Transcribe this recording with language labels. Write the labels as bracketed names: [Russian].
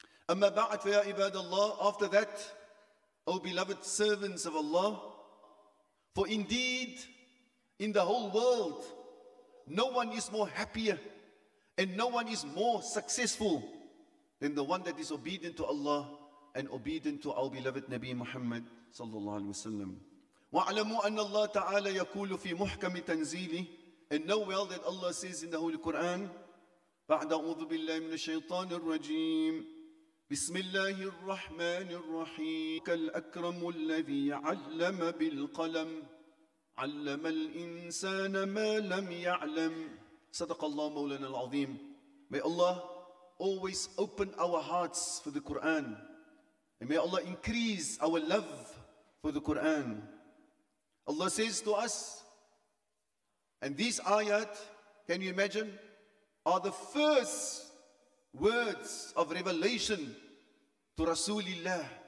[Arabic] أما بعد فيا عباد الله, [English] after that, O beloved servants of Allah, for indeed, in the whole world, no one is more happier and no one is more successful than the one that is obedient to Allah and obedient to our beloved Nabi Muhammad sallallahu alaihi wasallam. [Arabic] وَعْلَمُوا أَنَّ اللَّهَ تَعَالَى يَكُولُ فِي مُحْكَمِ تَنْزِيلِهِ. [English] And know well that Allah says in the Holy Quran, [Arabic] بَعْدَ أَعُوذُ بِاللَّهِ مِنَ الشَّيْطَانِ الرَّجِيمِ بِسْمِ اللَّهِ الرَّحْمَنِ الرَّحِيمِ كَالْأَكْرَمُ الَّذِي عَلَّمَ بِالْقَلَمِ عَلَّمَ الْإِنسَانَ مَا لَمْ يَعْلَمْ. صدق الله مولانا العظيم. [English] May Allah always open our hearts for the Quran. And may Allah increase our love for the Quran. Allah says to us, and these ayat, can you imagine, are the first words of revelation to Rasulullah.